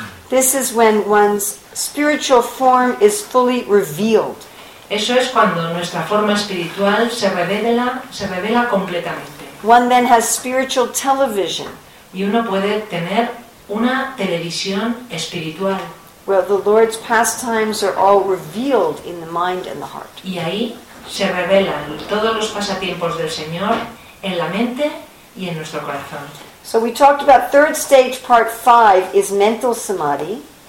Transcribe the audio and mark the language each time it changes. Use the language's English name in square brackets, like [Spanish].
[English] This is when one's spiritual form is fully revealed. [Spanish] Eso es cuando nuestra forma espiritual se revela completamente. [English] One then has spiritual television. [Spanish] Y uno puede tener una televisión espiritual. [English] Well, the Lord's pastimes are all revealed in the mind and the heart. [Spanish] Y ahí se revelan todos los pasatiempos del Señor en la mente y en nuestro corazón. [English] So we talked about third stage, part 5, is mental samadhi.